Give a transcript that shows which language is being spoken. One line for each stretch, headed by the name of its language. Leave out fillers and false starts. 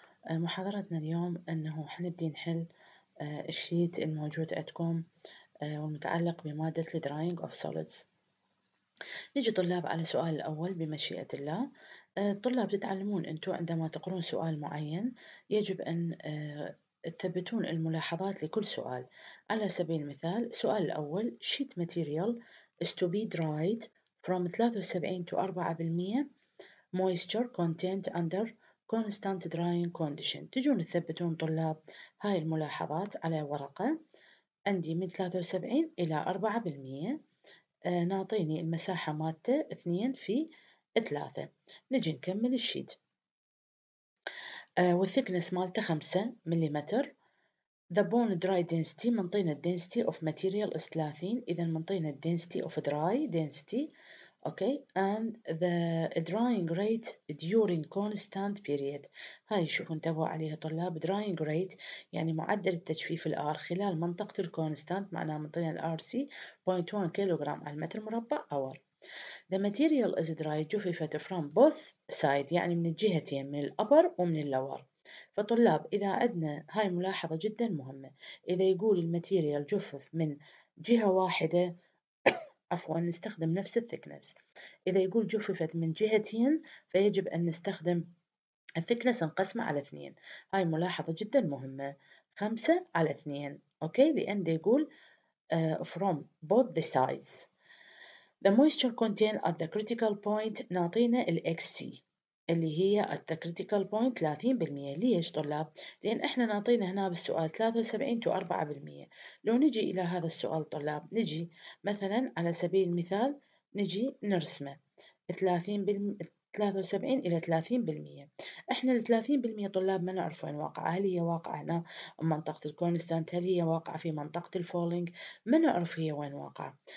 Arabic: محاضرتنا اليوم أنه حنبدي نحل الشيت الموجود عندكم والمتعلق بمادة الدراينج أوف سوليدز. نجي طلاب على سؤال الأول بمشيئة الله. الطلاب تتعلمون أنتم عندما تقرون سؤال معين يجب أن تثبتون الملاحظات لكل سؤال. على سبيل المثال، سؤال الأول:
English: sheet material is to be dried from 73 to 4% moisture content under constant drying condition.
Arabic: تجون تثبتون طلاب هاي الملاحظات على ورقة عندي من 73 إلى 4%، نعطيني المساحة مالته 2 × 3. نجي نكمل الشيت. والثيكنس مالته 5 ملليمتر.
English: The bone dry density،
Arabic: منطينا
English: density of material is 30،
Arabic: إذا منطينا
English: density of dry density. Okay. And the drying rate during constant period.
Arabic: هاي شوفوا انتبهوا عليها طلاب. Drying rate يعني معدل التجفيف الآر خلال منطقة الكونستانت، معناها منطينا الآر سي 0.1 كيلوغرام على المتر مربع أور.
English: The material is dry
Arabic: جفيفت
English: from both sides،
Arabic: يعني من الجهتين، من الأبر ومن اللور. فطلاب إذا عدنا هاي ملاحظة جدا مهمة، إذا يقول الماتيريال جفف من جهة واحدة عفوا نستخدم نفس الثيكنس، إذا يقول جففت من جهتين فيجب أن نستخدم الثيكنس نقسمه على 2. هاي ملاحظة جدا مهمة، 5 على 2. أوكي، لأن يقول
English: from both the sides. The moisture content at the critical point
Arabic: نعطينا ال XC اللي هي
English: at the critical point 30%.
Arabic: ليش طلاب؟ لأن إحنا نعطينا هنا بالسؤال 73 to 4%. لو نجي إلى هذا السؤال طلاب، نجي مثلا على سبيل المثال نجي نرسمه 73 إلى 30%. إحنا 30% طلاب ما نعرف وين واقع، هل هي واقع هنا منطقة الكونستانت، هل هي واقع في منطقة الفولينج، ما نعرف هي وين واقع.